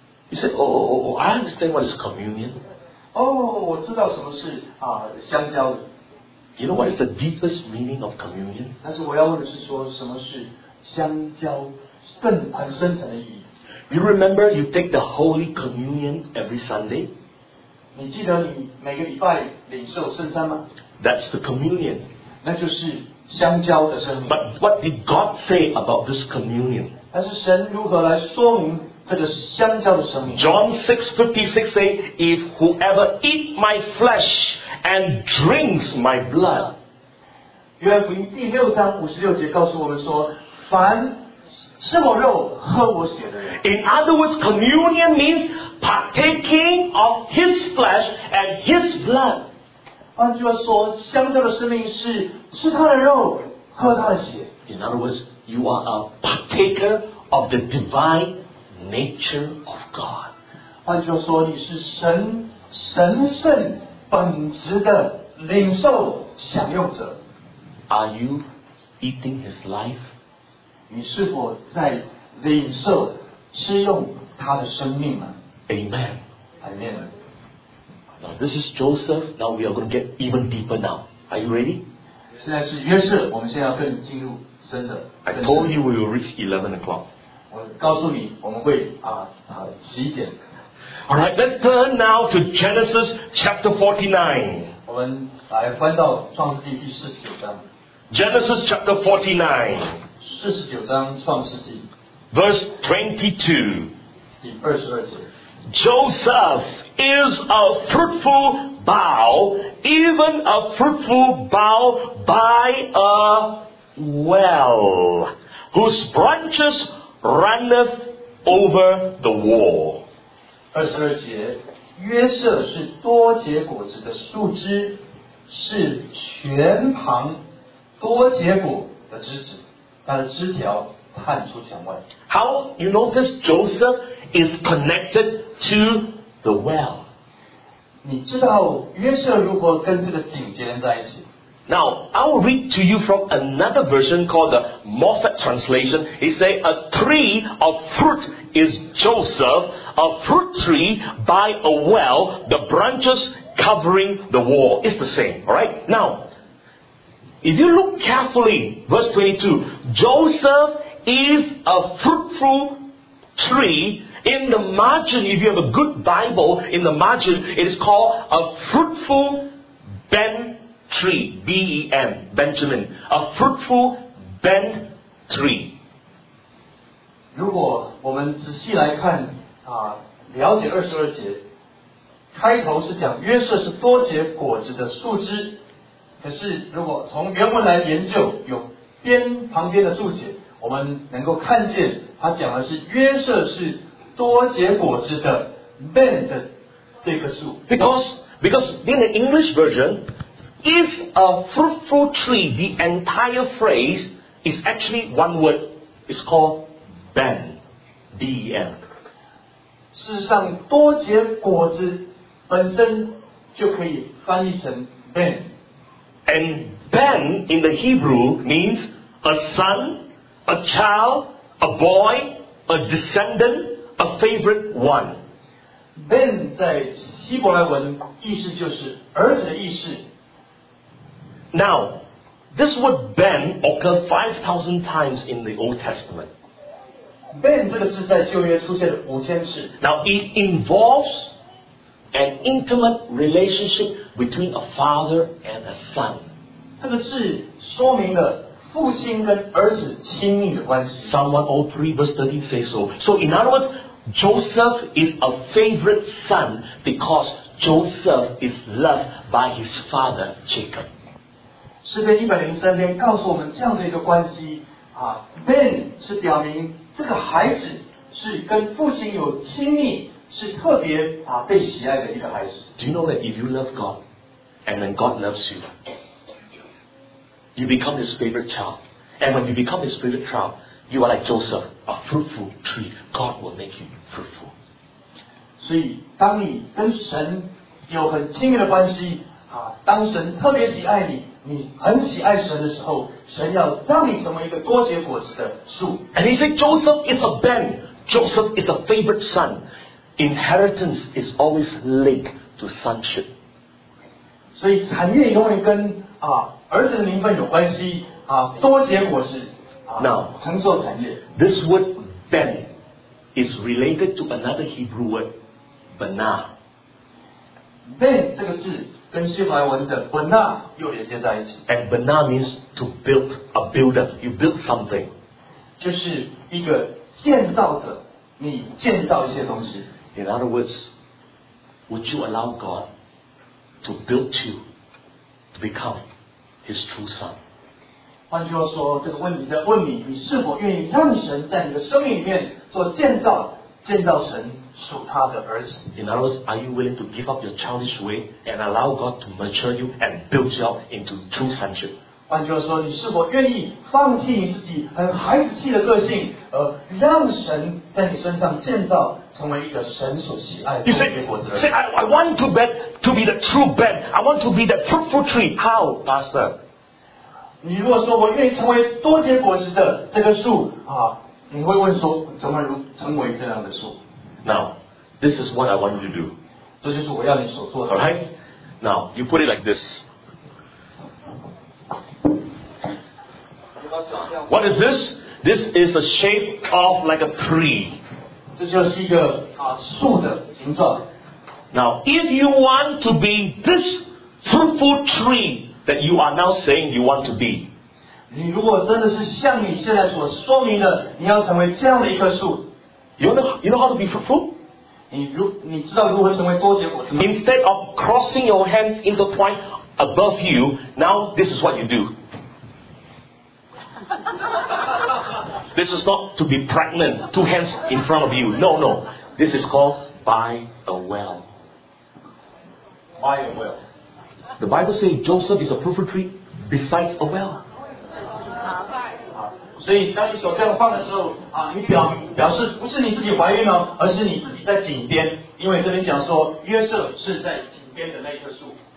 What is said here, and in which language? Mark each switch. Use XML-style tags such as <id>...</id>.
<en>You say, oh, I understand what is communion.</en> <zh>Oh, 我知道什么是啊相交。</zh> <en>You know what is the deepest meaning of communion?</en> <zh>但是我要问的是说什么是相交更很深层的意义。</zh> <en>You remember you take the Holy Communion every Sunday?</en> <zh>你记得你每个礼拜领受圣餐吗？</zh> <en>That's the communion.</en> <zh>那就是相交的圣。</zh> <en>But what did God say about this communion?</en> <zh>但是神如何来说明？</zh> <en>John 6:56 say, If whoever eat my flesh and drinks my blood,</en> <zh>约翰福音第六章五十六节告诉我们说，凡吃我肉喝我血的人。</zh> <en>In other words, communion means partaking of His flesh and His blood.</en> <zh>换句话说，相交的生命是吃他的肉，喝他的血。</zh> <en>In other words, you are a partaker of the divine. Nature of God.</en> <zh>换句话说，你是神神圣本质的领受享用者。</zh> <en>Are you eating His life?</en> <zh>你是否在领受吃用他的生命呢？</zh> <en>Amen. Amen. Now this is Joseph. Now we are going to get even deeper. Now, are you ready?</en> <zh>现在是约瑟，我们现在要更进入深的。</zh> <en>I told you we will reach 11 o'clock.</en> <zh>我告诉你，我们会几点</zh> <en>？All right, let's turn now to Genesis chapter 49.</en> <zh>我们来翻到创世纪第49章。</zh> <en>Genesis chapter 49.</en> <zh>49章创世纪。</zh> <en>Verse 22.</en> <zh>22节。</zh> <en>Joseph is a fruitful bough, even a fruitful bough by a well, whose branches. Runneth over the wall.</en> <zh>22节，约瑟是多结果子的树枝，是泉旁多结果的枝子，它的枝条探出墙外。</zh> <en>How you notice Joseph is connected to the well?</en> <zh>你知道约瑟如何跟这个井结连在一起？</zh> <en>Now, I will read to you from another version called the Moffat translation. It says, A tree of fruit is Joseph, a fruit tree by a well, the branches covering the wall. It's the same, alright? Now, if you look carefully, verse 22, Joseph is a fruitful tree. In the margin, if you have a good Bible, in the margin, it is called a fruitful bent tree. Tree, B-E-M, Benjamin, a fruitful bent tree.</en> <zh>如果我们仔细来看啊，了解二十二节，开头是讲约瑟是多结果子的树枝，可是如果从原文来研究，有边旁边的注解，我们能够看见他讲的是约瑟是多结果子的 man 的这棵树。</zh> <en>Because in the English version, if a fruitful tree, the entire phrase is actually one word. It's called ben, B-E-N.</en> <zh>事实上，多结果子本身就可以翻译成 ben.</zh> <en>And ben in the Hebrew means a son, a child, a boy, a descendant, a favorite one.</en> <zh>Ben 在希伯来文意思就是儿子的意思。</zh> <en>Now, this word Ben occurred 5,000 times in the Old Testament.</en> <zh>Ben 这个字在旧约出现了5000次。</zh> <en>Now, it involves an intimate relationship between a father and a son.</en> <zh>这个字说明了父亲跟儿子亲密的关系。</zh> <en>Psalm 103 verse 13 says so. So in other words,Joseph is a favorite son because Joseph is loved by his father Jacob.</en> <zh>诗篇103篇告诉我们这样的一个关系啊 ，Ben 是表明这个孩子是跟父亲有亲密，是特别啊被喜爱的一个孩子。</zh> <en>Do you know that if you love God, and then God loves you, you become His favorite child, and when you become His favorite child. You are like Joseph, a fruitful tree. God will make you fruitful.</en> <zh>所以当你跟神有很亲密的关系、啊、当神特别喜爱你，你很喜爱神的时候，神要让你成为一个多结果子的树。</zh> <en>And he said, Joseph is a Ben. Joseph is a favorite son. Inheritance is always linked to sonship.</en> <zh>所以产业永远跟、啊、儿子的名分有关系、啊、多结果子。</zh> <en>Now, this word Ben is related to another Hebrew word, Bana.</en> <zh>Ben 这个字跟希伯来文的 Bana 又连接在一起。</zh> <en>And Bana means to build, a builder, you build something.</en> <zh>就是一个建造者，你建造一些东西。</zh> <en>In other words, would you allow God to build you to become His true son?</en> <zh>换句话说，这个问题在问你，你是否愿意让神在你的生命里面做建造，建造神属他的儿子。</zh> <en>In other words, are you willing to give up your childish way and allow God to mature you and build you up into true sonship?</en> <zh>换句话说，你是否愿意放弃你自己很孩子气的个性，让神在你身上建造，成为一个神所喜爱的结果子？</zh> <en>I want to be the true Ben. I want to be the fruitful tree. How, Pastor?</en> <zh>你如果说我愿意成为多结果子的这棵树、啊、你会问说怎么如成为这样的树</zh> <en>Now, this is what I want you to do.</en> <zh>这就是我要你所做的</zh> <en>Alright, now, you put it like this. What is this? This is a shape of like a tree.</en> <zh>这就是一个、啊、树的形状</zh> <en>Now, if you want to be this fruitful treeThat you are now saying you want to be.</en> <zh>你如果真的是像你现在所说明的，你要成为这样的一棵树。</zh> <en>You know how to be fruitful?</en> <zh>你知道如何成为多结果子吗？</zh> <en>Instead of crossing your hands intertwined above you, now this is what you do. This is not to be pregnant, two hands in front of you. No, no. This is called by a well. By a well. The Bible says Joseph is a fruitful tree beside a well.</en> <zh>所以当你手这样放的时候、啊、你 表示不是你自己怀孕了，而是你自己在井边，因为这边讲说约瑟是在井边的那一棵树。</zh>